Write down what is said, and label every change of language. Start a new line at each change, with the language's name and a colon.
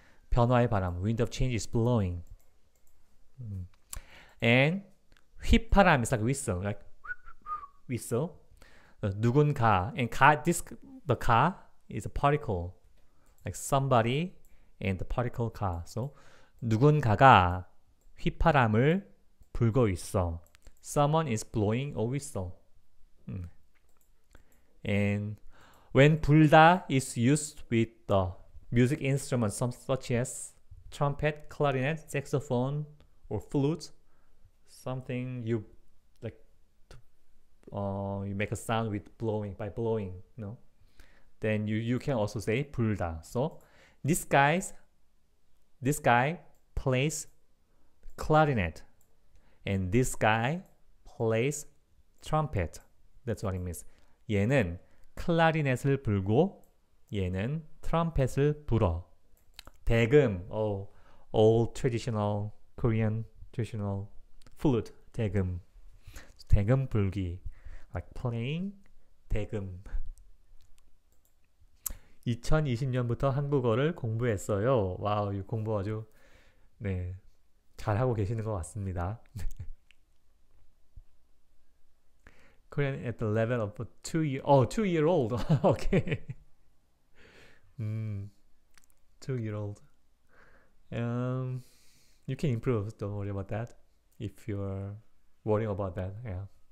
English: 변화의 바람, wind of change is blowing. And 휘파람 is like whistle, like whistle. 누군가, and 가, this, the 가 is a particle, like somebody and the particle 가.
Korean: So 누군가가 휘파람을 불고 있어.
English: Someone is blowing a whistle. And when 불다 is used with the music instruments, some such as trumpet, clarinet, saxophone, or flute, something you like, you make a sound with blowing, by blowing, you know? Then you can also say 불다. So this guy plays clarinet, and this guy plays trumpet. That's what it means.
Korean: 얘는 클라리넷을 불고, 얘는 트럼펫을 불어.
English: 대금, old traditional Korean traditional flute. 대금, 대금 불기, like playing 대금.
Korean: 2020년부터 한국어를 공부했어요. 와우, 이 공부 아주 네. 잘하고 계시는 것 같습니다.
English: Korean at the level of two year old. Okay. Two year old. You can improve. Don't worry about that. If you're worrying about that, yeah.